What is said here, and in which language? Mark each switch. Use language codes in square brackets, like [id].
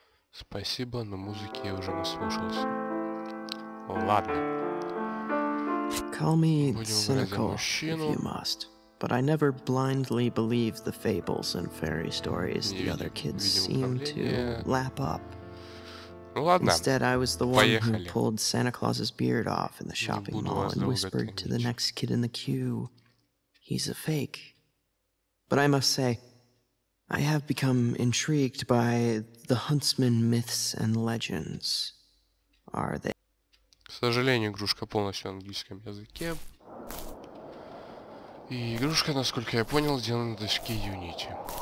[ru] Спасибо, но музыки я уже наслушался. Ладно. [en] Call me cynical, if you must, but I never blindly believe the fables and fairy stories the other kids seem to lap up. [ru] Ну ладно. [en] Instead, I was the one who pulled Santa Claus's beard off in the shopping mall and whispered to the next kid in the queue, "He's a fake." But I must say, I have become intrigued by the huntsman myths and legends. Are they? [ru] К сожалению, игрушка полностью на английском языке. И игрушка, насколько я понял, сделана на доске Unity.